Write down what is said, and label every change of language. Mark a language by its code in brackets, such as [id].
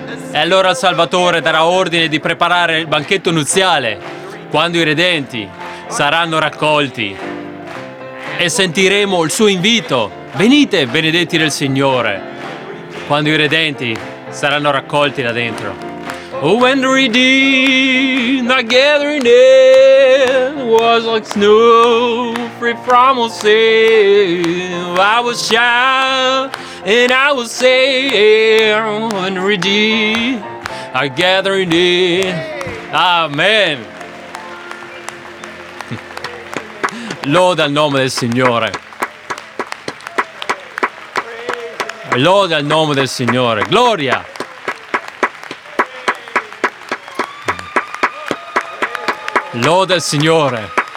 [it] E allora il Salvatore darà ordine di preparare il banchetto nuziale quando i redenti saranno raccolti. E sentiremo il suo invito. Venite, benedetti del Signore, quando i redenti saranno raccolti là dentro. [en] Oh, when the redeemed are gathering in, was like snow free from all sin. I will shout and I will say, when redeemed are gathering in. [it] Amen. Lode al nome del Signore. Lode al nome del Signore. Gloria. Lode al Signore.